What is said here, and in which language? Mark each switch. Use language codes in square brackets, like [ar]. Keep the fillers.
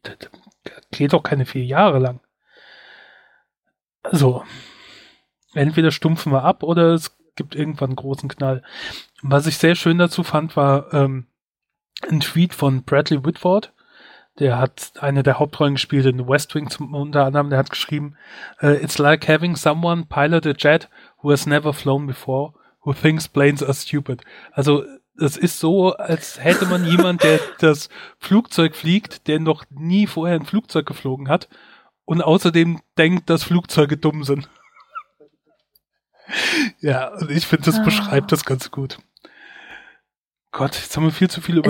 [de] Da, da geht doch keine vier Jahre lang. Also, entweder stumpfen wir ab oder es gibt irgendwann einen großen Knall. Was ich sehr schön dazu fand, war ähm, ein Tweet von Bradley Whitford. Der hat eine der Hauptrollen gespielt in West Wing zum, unter anderem. Der hat geschrieben, [en] äh, It's like having someone pilot a jet who has never flown before, who thinks planes are stupid. [de] Also es ist so, als hätte man jemand, der das Flugzeug fliegt, der noch nie vorher ein Flugzeug geflogen hat und außerdem denkt, dass Flugzeuge dumm sind. ja, und ich finde, das Ah. beschreibt das ganz gut. Gott, jetzt haben wir viel zu viel über